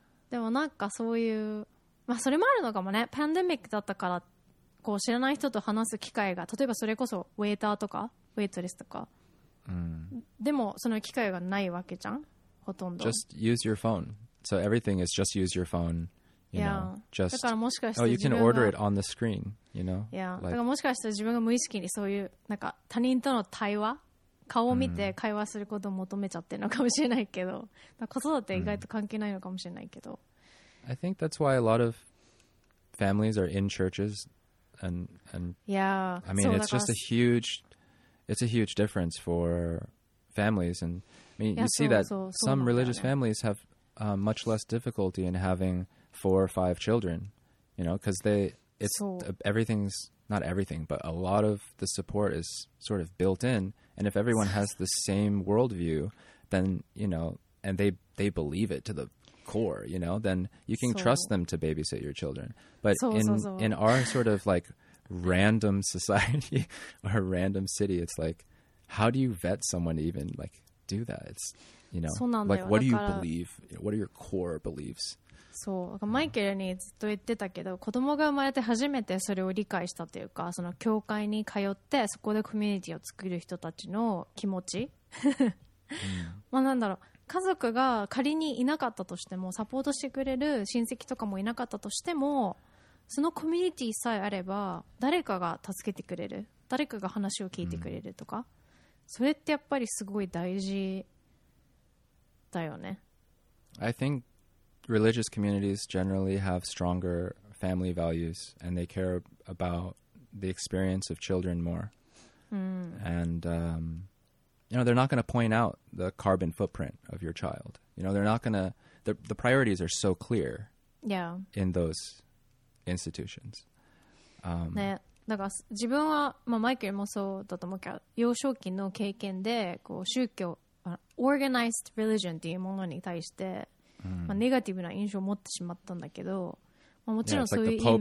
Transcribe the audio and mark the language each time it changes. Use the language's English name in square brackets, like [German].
[Japanese] でもなんかそういう、まあそれもあるのかもね。パンデミックだったから、こう知らない人と話す機会が、例えばそれこそウェイターとか、ウェイトレスとか。でもその機会がないわけじゃん、ほとんど。 [English] Just use your phone. So everything is just use your phone. You know, yeah. just, oh, you can order it on the screen, you know? Yeah. [Japanese] だからもしかしたら自分が無意識にそういう、なんか他人との対話、顔を見て会話することを求めちゃってるのかもしれないけど、子育て意外と関係ないのかもしれないけど。 [English] I think that's why a lot of families are in churches and yeah. I mean, it's just a huge, it's a huge difference for families. And I mean, you see that some religious families have much less difficulty in having 4 or 5 children, you know, because they, it's everything's, not everything, but a lot of the support is sort of built in. And if everyone has the same worldview, then, you know, and they believe it to the core, you know, then you can trust them to babysit your children. But in our sort of like random society or a random city, it's like, how do you vet someone to even like do that? It's, you know, like, what do you believe? You know, what are your core beliefs? [Japanese] そう、マイケルにずっと言ってたけど、子供が生まれて初めてそれを理解したというか、その教会に通ってそこでコミュニティを作る人たちの気持ち まあなんだろう、家族が仮にいなかったとしても、サポートしてくれる親戚とかもいなかったとしても、そのコミュニティさえあれば誰かが助けてくれる、誰かが話を聞いてくれるとか、それってやっぱりすごい大事だよね。 [English] I thinkReligious communities generally have stronger family values and they care about the experience of children more. Mm. And, you know, they're not going to point out the carbon footprint of your child. You know, they're not going to, the priorities are so clear. Yeah. In those institutions. [Japanese] ね、だから自分は、まあ、マイケルもそうだと思うけど、幼少期の経験でこう宗教、 [English] organized religion [Japanese] っていうものに対して、うん、まあ、ネガティブな印象を持ってしまったんだけど、まあ、もちろん、 [English] yeah, like、 [Japanese] そういう意味も